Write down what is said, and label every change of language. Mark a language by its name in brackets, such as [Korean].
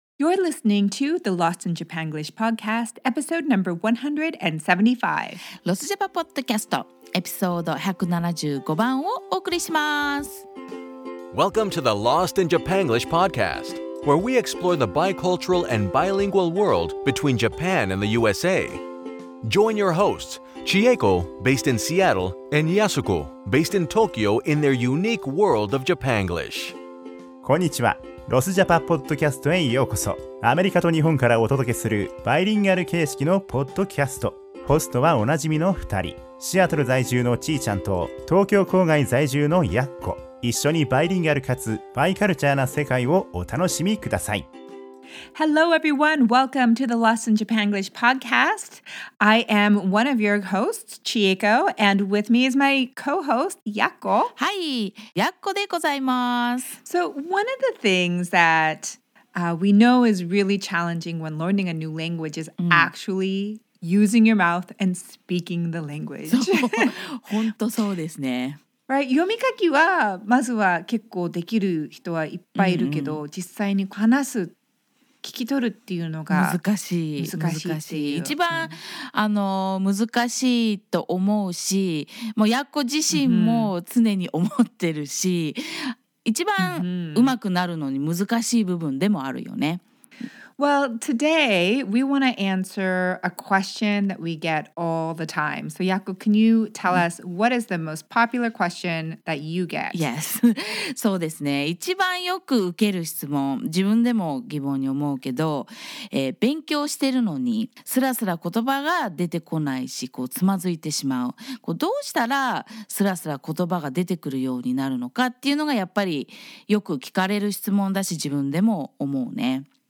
[English] You're listening to the Lost in Japanglish podcast, episode number 175. [Japanese] ロスジャパポッドキャスト、エピソード175番をお送りします。 [English] Welcome to the Lost in Japanglish podcast, where we explore the bicultural and bilingual world between Japan and the USA. Join your hosts, Chieko, based in Seattle, and Yasuko, based in Tokyo, in their unique world of Japanglish. [Japanese] こんにちは。ロスジャパポッドキャストへようこそ。アメリカと日本からお届けするバイリンガル形式のポッドキャスト。ホストはおなじみの2人、シアトル在住のちーちゃんと東京郊外在住のやっこ。一緒にバイリンガルかつバイカルチャーな世界をお楽しみください。 [English] Hello everyone, welcome to the Lost in Japanglish podcast. I am one of your hosts, Chieko, and with me is my co-host, Yakko. [Japanese] はい、Yakkoでございます。 [English] So one of the things thatwe know is really challenging when learning a new language is actually using your mouth and speaking the language. [Japanese] そう、本当そうですね。 [English] Right. [Japanese] 読み書きはまずは結構できる人はいっぱいいるけど、うんうん、実際に話す聞き取るっていうのが難しい。一番、難しいと思うし、もうやっこ自身も常に思ってるし、うん、一番うまくなるのに難しい部分でもあるよね。 [English] Well, today we want to answer a question that we get all the time. So, Yakko, can you tell us what is the most popular question that you get? [Japanese] Yes. そうですね。一番よく受ける質問、自分でも疑問に思うけど、勉強してるのにスラスラ言葉が出てこないし、こうつまずいてしまう。こうどうしたらスラスラ言葉が出てくるようになるのかっていうのがやっぱりよく聞かれる質問だし、自分でも思うね。